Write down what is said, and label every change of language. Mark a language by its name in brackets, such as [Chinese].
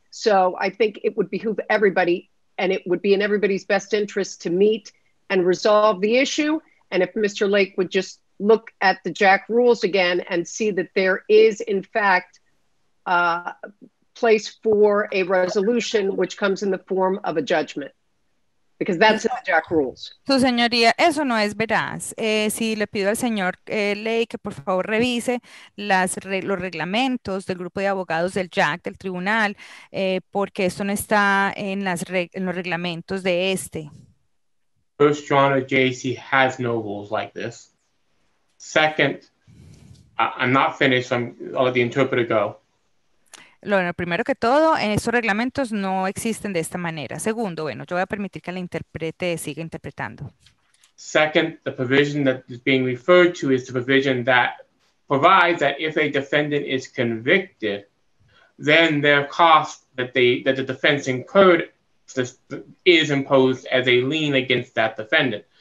[English] So I think it would behoove everybody, and it would be in everybody's best interest to meet and resolve the issue. And if Mr. Lake would just look at the JAC rules again and see that there is in fact place for a resolution which comes in the form of a judgment, because that's the JAC rules. [Spanish] Su señoría, eso no es veraz. Si le pido al señor Ley que por favor revise los reglamentos del grupo de abogados del JAC, del tribunal, porque esto no está en los reglamentos de este. [English] First, Your Honor, JAC has no rules like this. Second, I'm not finished, I'll let the interpreter go. [Spanish] Bueno, primero que todo, esos reglamentos no existen de esta manera. Segundo, bueno, yo voy a permitir que la interprete siga interpretando. [English] Second, the provision that is being referred to is the provision that provides that if a defendant is convicted, then their cost that the defense incurred is imposed as a lien against that defendant.